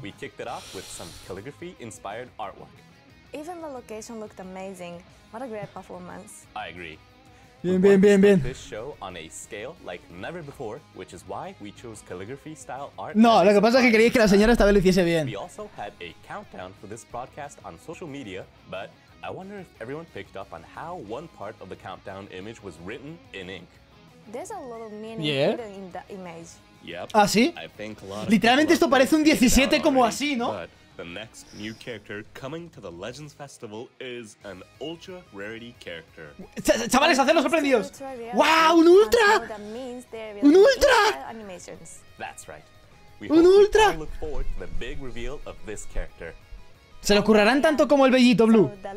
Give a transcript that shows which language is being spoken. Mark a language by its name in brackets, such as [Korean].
[English] We kicked it off with some calligraphy-inspired artwork. Even the location looked amazing. What a great performance. I agree. [Spanish] Bien, bien, bien, bien. [English] This show on a scale like never before, which is why we chose calligraphy style art. [Spanish] No, lo que pasa es que queríais que la señora esta vez lo hiciese bien. [English] We also had a countdown for this broadcast on social media, but I wonder if everyone picked up on how one part of the countdown image was written in ink. There's a lot of meaning hidden in the image. Yep. [Spanish] ¿Ah, sí? [English] I think a lot [Spanish] Literalmente esto parece un 17 como already, así, ¿no? [English] But the next new character coming to the Legends Festival is an ultra rarity character. [Spanish] Chavales, hacedlos sorprendidos. ¡Wow! ¡Un ultra! ¡Un ultra! [English] That's right. [Spanish] We ¡Un ultra! [English] Look forward to the big reveal of this character. [Spanish] Se lo currarán tanto como el vellito Blue.